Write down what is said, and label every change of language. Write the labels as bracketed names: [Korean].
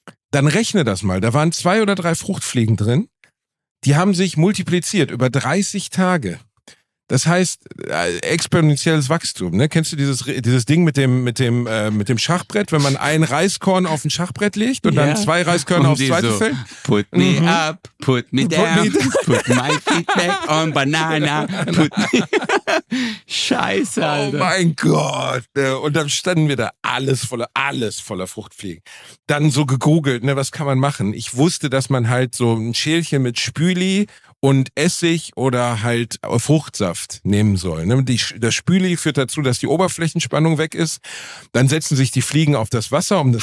[German] Dann rechne das mal. Da waren 2 oder 3 Fruchtfliegen drin. Die haben sich multipliziert über 30 Tage. Das heißt, exponentielles Wachstum, ne? Kennst du dieses Ding mit dem Schachbrett, wenn man ein Reiskorn auf ein Schachbrett legt und dann 2 Reiskörner aufs zweite so, Feld? [English] Put me up, put me down, put my feet back on banana, put me. [German] Scheiße, Alter. Oh mein Gott. Und dann standen wir da alles voller Fruchtfliegen. Dann so gegoogelt, ne, was kann man machen? Ich wusste, dass man halt so ein Schälchen mit Spüli und Essig oder halt Fruchtsaft nehmen soll. Ne? Das Spüli führt dazu, dass die Oberflächenspannung weg ist. Dann setzen sich die Fliegen auf das Wasser, um das